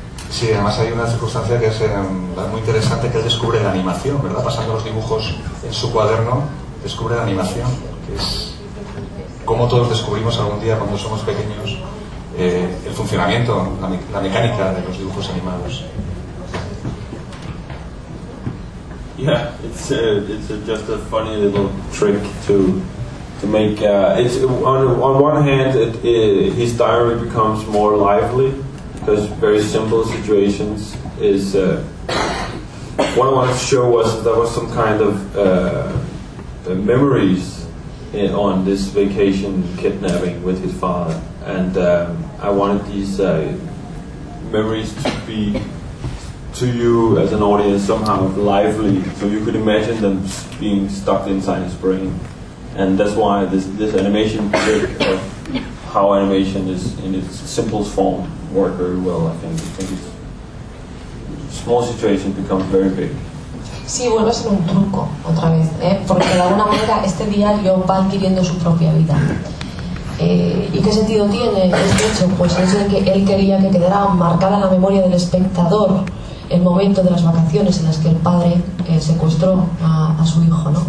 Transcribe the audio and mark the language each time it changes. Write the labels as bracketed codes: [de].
[es] Sí, además hay una circunstancia que es muy interesante, que él descubre la animación, ¿verdad? Pasando los dibujos en su cuaderno, descubre la animación, que es como todos descubrimos algún día cuando somos pequeños el funcionamiento, la mecánica de los dibujos animados. [en] Yeah, it's just a funny little trick to make. It's on one hand, his diary becomes more lively. Because very simple situations is what I wanted to show was that there was some kind of memories on this vacation kidnapping with his father, and I wanted these memories to be to you as an audience somehow lively, so you could imagine them being stuck inside his brain, and that's why this animation trick of how animation is in its simplest form. Work very well, I think. Small situation becomes very big. [es] Sí, vuelve a ser un truco otra vez, porque de alguna manera este diario va adquiriendo su propia vida. ¿Y qué sentido tiene este hecho? Pues el hecho de que él quería que quedara marcada en la memoria del espectador el momento de las vacaciones en las que el padre secuestró a su hijo, ¿no?